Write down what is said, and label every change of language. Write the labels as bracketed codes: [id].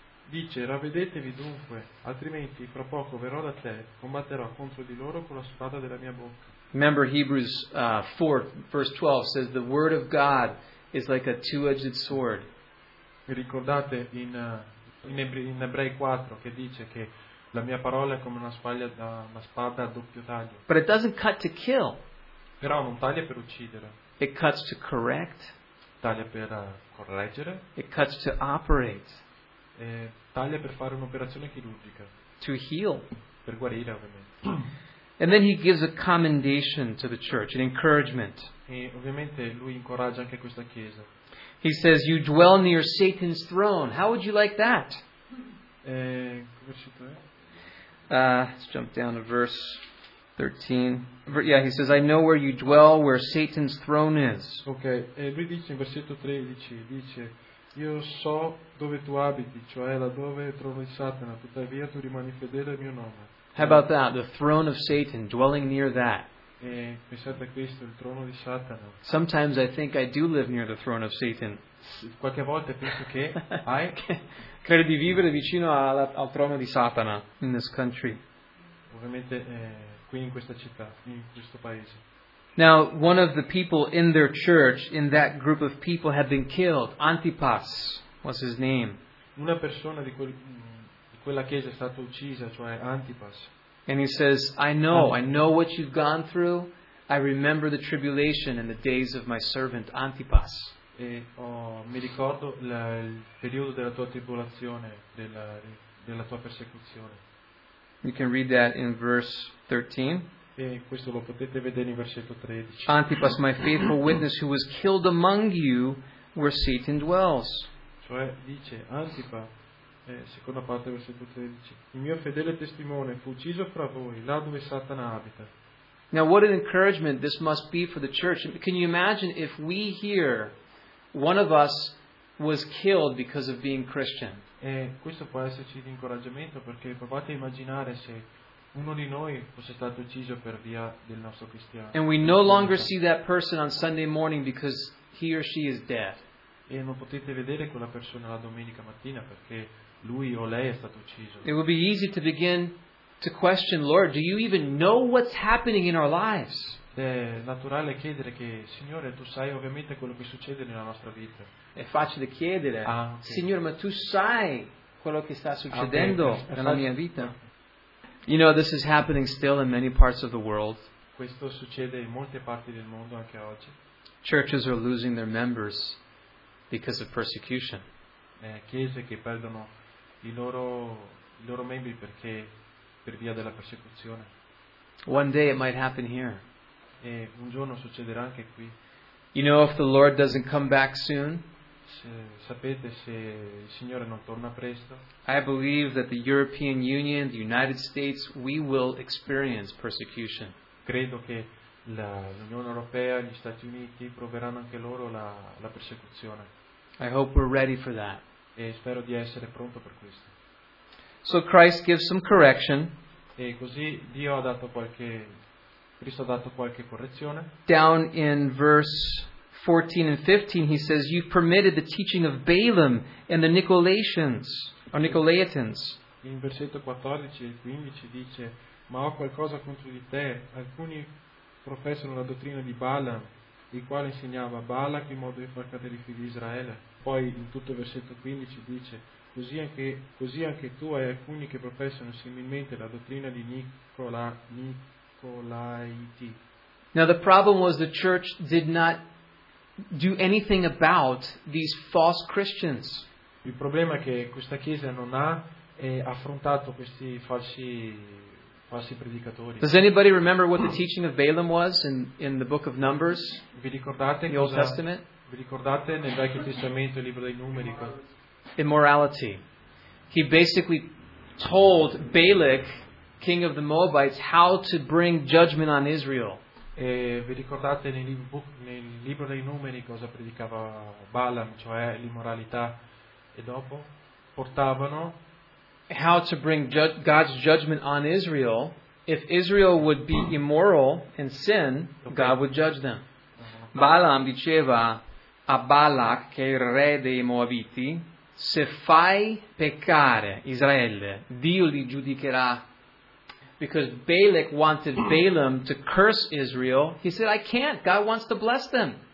[it] Dice, ravvedetevi dunque, altrimenti fra poco verrò da te, combatterò contro di loro con la spada della mia bocca. [en] Remember Hebrews 4, verse 12 says the word of God is like a two-edged sword. [it] Ricordate in Ebrei 4 che dice che La mia parola è come una spada, una spada a doppio taglio. [en] But it doesn't cut to kill. [it] Però non taglia per uccidere. [en] It cuts to correct. [it] Taglia per correggere. [en] It cuts to operate. [it] E taglia per fare un'operazione chirurgica. [en] To heal. [it] Per guarire, ovviamente. [en] And then he gives a commendation to the church, an encouragement. [it] E ovviamente lui incoraggia anche questa chiesa. [en] He says, "You dwell near Satan's throne. How would you like that?" Let's jump down to verse 13. Yeah, he says, "I know where you dwell, where Satan's throne is." [it] Okay, e lui dice in versetto 13, dice, "Io so dove tu abiti, cioè laddove trovi Satana, tuttavia tu rimani fedele al mio nome." [en] How about that? The throne of Satan, dwelling near that. [it] E pensate a questo, il trono di Satana. [en] Sometimes I think I do live near the throne of Satan. [it] Qualche volta penso che hai credo di vivere vicino al trono di Satana [en] in this country. [it] Ovviamente qui in questa città, in questo paese. [en] Now, one of the people in their church, in that group of people, had been killed. Antipas was his name. [it] Una persona di quella chiesa è stata uccisa, cioè Antipas. [en] And he says, I know what you've gone through. I remember the tribulation in the days of my servant Antipas. [it] E mi ricordo il periodo della tua tribolazione, della tua persecuzione. [en] You can read that in verse 13. [it] E questo lo potete vedere in versetto 13. [en] Antipas, my faithful witness, who was killed among you where Satan dwells. [it] Cioè dice Antipas, seconda parte versetto 13. Il mio fedele testimone fu ucciso fra voi, là dove Satana abita. [en] Now what an encouragement this must be for the church. Can you imagine if we here, one of us was killed because of being Christian? [it] Questo può esserci di incoraggiamento, perché provate a immaginare se uno di noi fosse stato ucciso per via del nostro cristiano. [en] And we no longer see that person on Sunday morning because he or she is dead. [it] E non potete vedere quella persona la domenica mattina perché lui o lei è stato ucciso. [en] It would be easy to begin to question, Lord, do you even know what's happening in our lives? [it] È naturale chiedere che, Signore, tu sai ovviamente quello che succede nella nostra vita. È facile chiedere, okay. Signore, ma tu sai quello che sta succedendo nella mia vita? [en] You know, this is happening still in many parts of the world. [it] Questo succede in molte parti del mondo anche oggi. [en] Churches are losing their members because of persecution. [it] Chiese che perdono i loro membri perché per via della persecuzione. [en] One day it might happen here. [it] E un giorno succederà anche qui. [en] You know, if the Lord doesn't come back soon. [it] Sapete se il Signore non torna presto. [en] I believe that the European Union, the United States, we will experience persecution. [it] Credo che l'Unione Europea, gli Stati Uniti proveranno anche loro la persecuzione. [en] I hope we're ready for that. [it] E spero di essere pronto per questo. [en] So Christ gives some correction. [it] E così Dio ha dato Cristo ha dato qualche correzione. [en] Down in verse 14 and 15 he says, "You've permitted the teaching of Balaam and the Nicolaitans." Or Nicolaitans. [it] In versetto 14 e 15 dice, "Ma ho qualcosa contro di te. Alcuni professano la dottrina di Balaam, il quale insegnava Balak in modo di far cadere i figli di Israele." Poi in tutto il versetto 15 dice, così anche tu hai alcuni che professano similmente la dottrina di Nicolaiti. [en] Now the problem was the church did not do anything about these false Christians. [it] Il problema è che questa chiesa non ha affrontato questi falsi predicatori. [en] Does anybody remember what the teaching of Balaam was in the book of Numbers? [it] Vi ricordate [en] the Old Testament? [it] Vi ricordate nel Vecchio Testamento il libro dei Numeri? [en] Immorality. He basically told Balak, king of the Moabites, how to bring judgment on Israel. [it] E vi ricordate nel libro dei Numeri cosa predicava Balaam, cioè l'immoralità? E dopo portavano [en] how to bring God's judgment on Israel. If Israel would be immoral and sin, okay, God would judge them. [it] Balaam diceva a Balak, che è il re dei Moabiti, se fai peccare Israele, Dio li giudicherà. [en] Because Balak wanted Balaam to curse Israel, he said, "I can't, God wants to bless them."